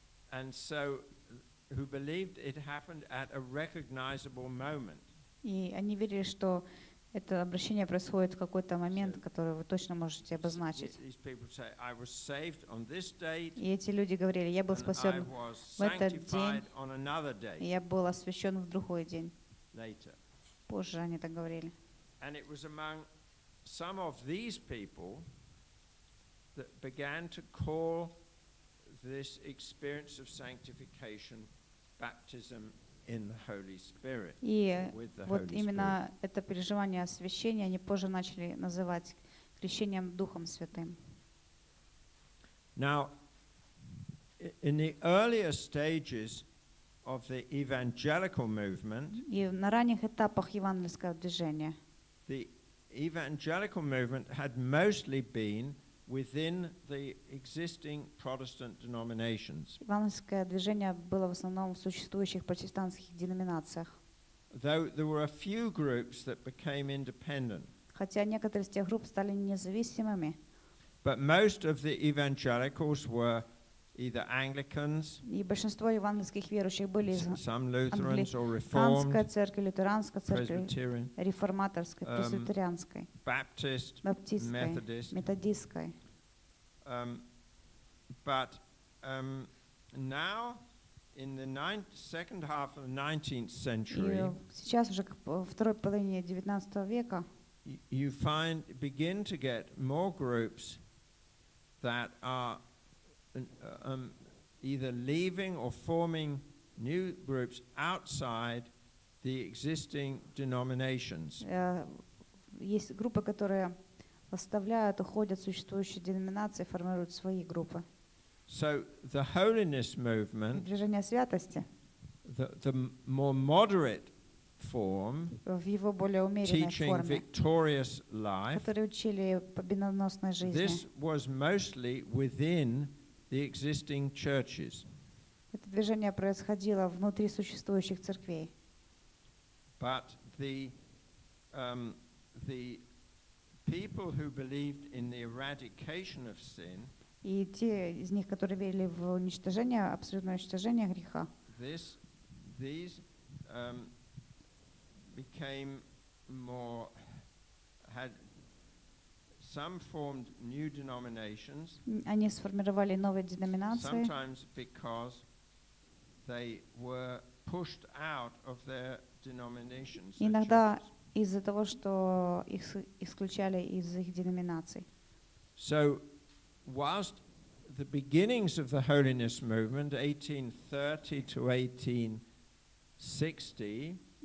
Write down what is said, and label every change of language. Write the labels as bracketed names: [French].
[English] And so, who believed it happened at a recognizable moment. [Russian] И они верили, что это обращение происходит в какой-то момент, который вы точно можете обозначить. И эти люди говорили, я был спасен в этот день, и я был освящен в другой день. Позже они так говорили. [English] And it was among some of these people that began to call this experience of sanctification baptism. In the Holy Spirit, with the Holy Spirit. [Russian] И вот именно это переживание освящения они позже начали называть крещением Духом Святым. [English] Now, in the earlier stages of the evangelical movement, [Russian] и на ранних этапах евангельского движения, [English] the evangelical movement had mostly been within the existing Protestant denominations. [Russian] Евангельское движение было в основном в существующих протестантских деноминациях. [English] Though there were a few groups that became independent. [Russian] Хотя некоторые из тех групп стали независимыми. [English] But most of the evangelicals were either Anglicans. [Russian] И большинство евангельских верующих были из англиканской церкви, лютеранской церкви, реформаторской, пресвитерианской, баптистской, методистской. [English] But now in the second half of the 19th century. [Russian] Сейчас уже второй половине 19 века. [English] You begin to get more groups that are either leaving or forming new groups outside the existing denominations. [Russian] Есть группы, которые оставляют, уходят существующие деноминации, формируют свои группы. [English] So the holiness movement, [Russian] движение святости, [English] the more moderate form, [Russian] в его более умеренной [English] teaching [Russian] форме, [English] victorious life, [Russian] которые учили победоносной жизни, [English] this was mostly within the existing churches. [Russian] Это движение происходило внутри существующих церквей. [English] But the people who believed in the eradication of sin. [Russian] И те из них, которые верили в уничтожение, абсолютное уничтожение греха. [English] These became more had. Some formed new denominations. [Russian] Они сформировали новые деноминации. [English] Sometimes because they were pushed out of their denominations. [Russian] Иногда из-за того, что их исключали из их деноминаций. [English] So, whilst the beginnings of the holiness movement, 1830 to 1860.